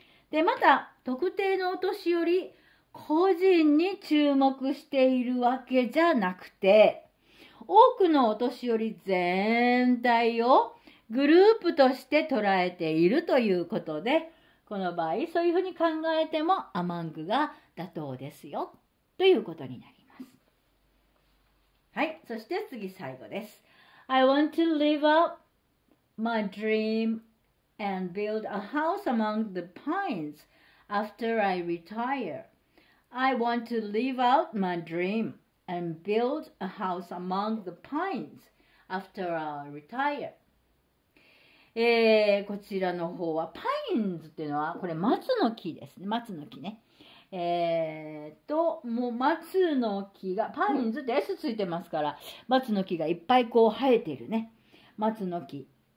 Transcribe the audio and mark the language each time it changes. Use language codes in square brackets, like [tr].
[ja] で、また、特定のお年寄り、個人に注目しているわけじゃなくて、多くのお年寄り全体をグループとして捉えているということで、この場合、そういうふうに考えても、アマングが妥当ですよ、ということになります。はい、そして次最後です。 [en] I want to live out my dream and build a house among the pines after I retire. I want to live out my dream and build a house among the pines after I retire. [ja] こちらの方は、パインズっていうのは、これ松の木ですね。松の木ね。もう松の木が、パインズって S ついてますから、松の木がいっぱいこう生えているね。松の木。